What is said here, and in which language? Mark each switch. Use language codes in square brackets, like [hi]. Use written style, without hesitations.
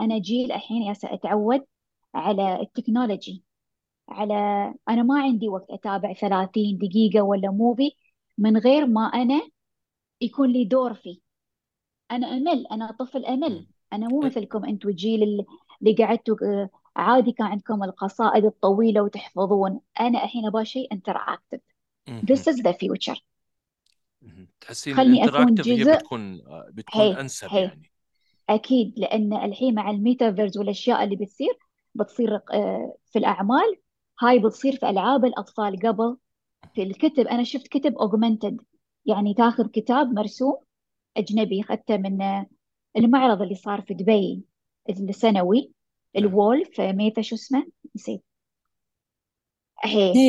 [ar] أنا جيل الحين ياسا أتعود على التكنولوجي، على أنا ما عندي وقت أتابع 30 دقيقة ولا موفي من غير ما أنا يكون لي دور فيه. أنا أمل، أنا طفل أمل، أنا مو مثلكم أنتوا جيل اللي قعدتوا عادي كان عندكم القصائد الطويلة وتحفظون. أنا الحين أبغى شيء [en] interactive، this is the future، [ar] تحسين خلني أكون الانتراكتيف هي جزء. بتكون أنسب، يعني أكيد، لأن الحين مع الميتافيرز والأشياء اللي بتصير بتصير في الأعمال، هاي بتصير في ألعاب الأطفال. قبل في الكتب أنا شفت كتب augmented، يعني تاخذ كتاب مرسوم أجنبي أخذته من المعرض اللي صار في دبي السنوي، الولف ميتا شو اسمه نسيت، هي